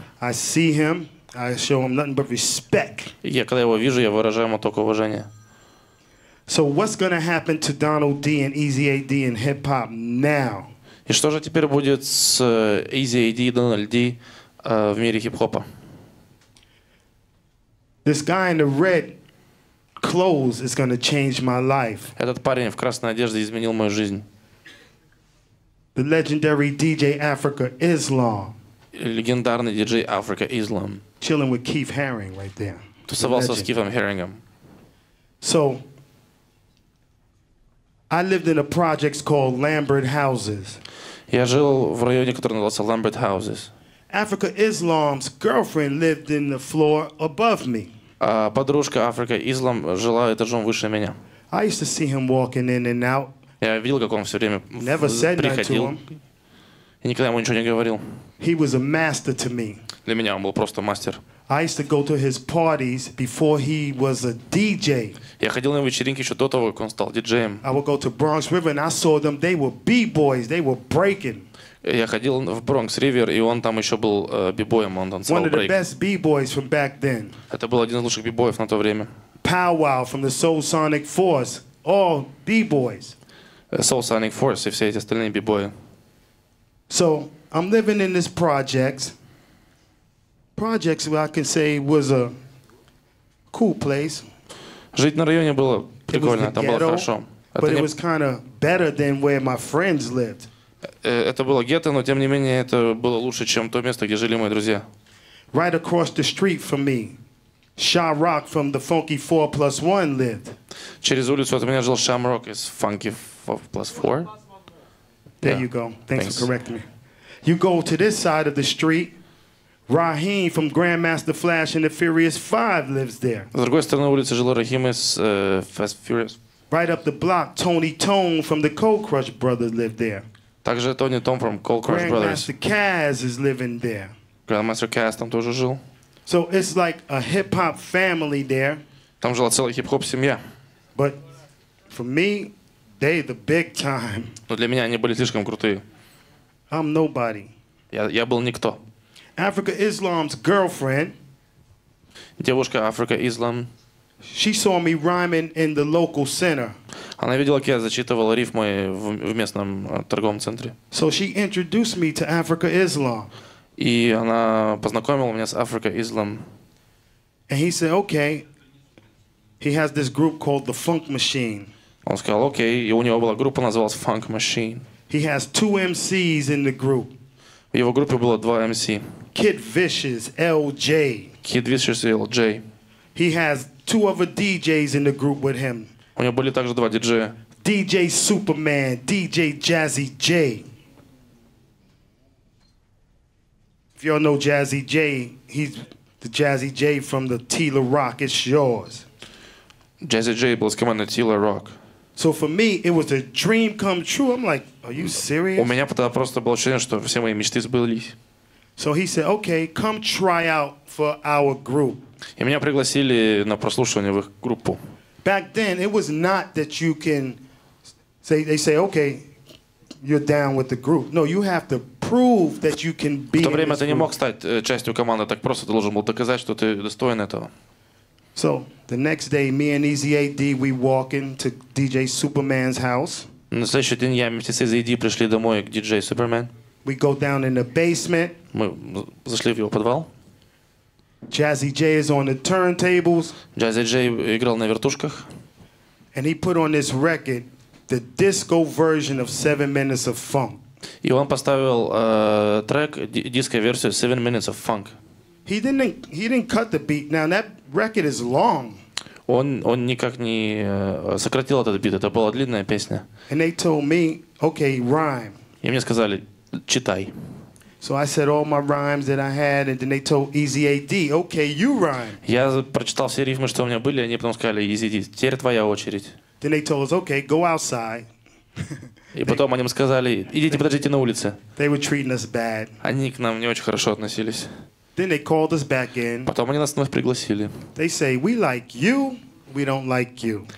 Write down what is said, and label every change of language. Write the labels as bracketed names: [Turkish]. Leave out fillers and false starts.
[English] I see him, I show him nothing but respect. [Russian] Я когда его вижу, я выражаю ему только уважение. [English] So what's gonna happen to Donald D and Easy AD in hip-hop now? [Russian] И что же теперь будет с Easy AD и Donald D в мире хип-хопа? [English] This guy in the red clothes is gonna change my life. [Russian] Этот парень в красной одежде изменил мою жизнь. [English] The legendary DJ Afrika Islam. [Russian] Легендарный DJ Afrika Islam. [English] Chilling with Keith Haring right there. [Russian] Тусовался с Кифом Харингом. [English] So, I lived in a project called Lambert Houses. [Russian] Я жил в районе, который назывался Lambert Houses. [English] Afrika Islam's girlfriend lived in the floor above me. [Russian] Подружка Африка Ислам жила этажом выше меня. [English] I used to see him walking in and out. [Russian] Я видел, как он все время [English] Never said [Russian] приходил. Я никогда ему ничего не говорил. [English] He was a master to me. [Russian] Для меня он был просто мастер. [English] I used to go to his parties before he was a DJ. [Russian] Я ходил на вечеринки еще до того, как он стал диджеем. [English] I would go to Bronx River and I saw them. They were b-boys. They were breaking. [Russian] Я ходил в Бронкс Ривер, и он там еще был бибоем, он танцевал брейк. [English] One of the best b-boys from back then. [Russian] Это был один из лучших бибоев на то время. [English] Pow Wow from the Soul Sonic Force, all b-boys. [Russian] Soul Sonic Force и все эти остальные бибои. [English] So I'm living in this project. Projects, I can say, was a cool place. [Russian] Жить на районе было прикольно, там было хорошо. [English] But it was kind of better than where my friends lived. [Russian] Это было гетто, но тем не менее это было лучше, чем то место, где жили мои друзья. [English] Right across the street from me, Sha-Rock from the Funky 4 Plus 1 lived. [Russian] Через улицу от меня жил Sha-Rock из Funky 4 Plus 4. [English] There you go. Thanks for correcting me. You go to this side of the street. Raheem from Grandmaster Flash and the Furious 5 lives there. [Russian] С другой стороны улицы жил Рахим из Fast Furious. [English] Right up the block, Tony Tone from the Cold Crush Brothers lived there. [Russian] Также Тони Том from Cold Crush Brothers. [English] Grandmaster Caz is living there. [Russian] Grandmaster Caz там тоже жил. [English] So it's like a hip-hop family there. [Russian] Там жила целая хип-хоп семья. [English] But for me, they the big time. [Russian] Но для меня они были слишком крутые. [English] I'm nobody. [Russian] Я был никто. [English] Africa Islam's girlfriend. [Russian] Девушка Африка Ислам. [English] She saw me rhyming in the local center. [Russian] Она видела, как я зачитывал рифмы в местном торговом центре. [English] So she introduced me to Africa Islam. [Russian] И она познакомила меня с Африка Ислам. [English] And he said, okay. He has this group called the Funk Machine. [Russian] Он сказал, окей, и у него была группа, называлась Funk Machine. [English] He has two MCs in the group. [Russian] В его группе было два MC. [English] Kid Vicious, LJ. [Russian] Kid Vicious и LJ. [English] He has two other DJs in the group with him. [Russian] У него были также два диджея. [English] DJ Superman, DJ Jazzy Jay. If y'all know Jazzy Jay, he's the Jazzy Jay from the Tila Rock, it's yours. [Russian] Jazzy Jay был с командой Tila Rock. [English] So for me, it was a dream come true. I'm like, are you serious? [Russian] У меня тогда просто было ощущение, что все мои мечты сбылись. [English] So he said, okay, come try out for our group. [Russian] И меня пригласили на прослушивание в их группу. [English] Back then, it was not that you can say, they say, okay, you're down with the group. No, you have to prove that you can be in this group. [Russian] В то время ты не мог стать частью команды, так просто ты должен был доказать, что ты достоин этого. [English] So, the next day, me and Easy AD, we walk into DJ Superman's house. [Russian] На следующий день я вместе с Easy AD пришли домой к DJ Superman. [English] We go down in the basement. [Russian] Мы зашли в его подвал. [English] Jazzy Jay is on the turntables. [Russian] Jazzy Jay играл на вертушках. [English] And he put on this record, the disco version of 7 Minutes of Funk. [Russian] И он поставил трек, диско-версию 7 Minutes of Funk. [English] He didn't cut the beat. Now that record is long. [Russian] Он никак не сократил этот бит. Это была длинная песня. [English] And they told me, okay, rhyme. [Russian] И мне сказали, читай. [English] So I said all my rhymes that I had, and then they told Easy AD, okay, you rhyme. [Russian] Я прочитал все рифмы, что у меня были, они потом сказали, Easy AD, теперь твоя очередь. [English] Then they told us, okay, go outside. [Russian] И потом они мне сказали, идите, подождите на улице. [English] They were treating us bad. [Russian] Они к нам не очень хорошо относились. [English] Then they called us back in. [Russian] Потом они нас вновь пригласили. [English] They say, we like you, we don't like you.